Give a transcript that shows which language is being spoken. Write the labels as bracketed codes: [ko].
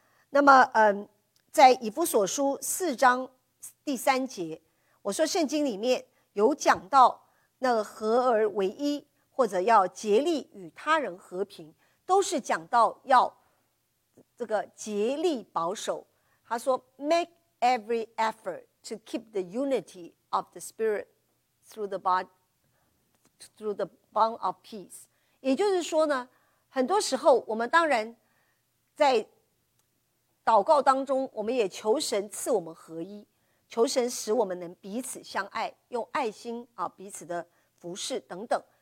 [zh] 那么在以弗所书四章第三节，我说圣经里面有讲到那个合而为一，或者要竭力与他人和平，都是讲到要这个竭力保守。他说 [en] make every effort to keep the unity of the spirit through the bond of peace。 [zh] 也就是说呢，很多时候我们当然在祷告当中，我们也求神赐我们合一，求神使我们能彼此相爱，用爱心啊彼此的服侍等等。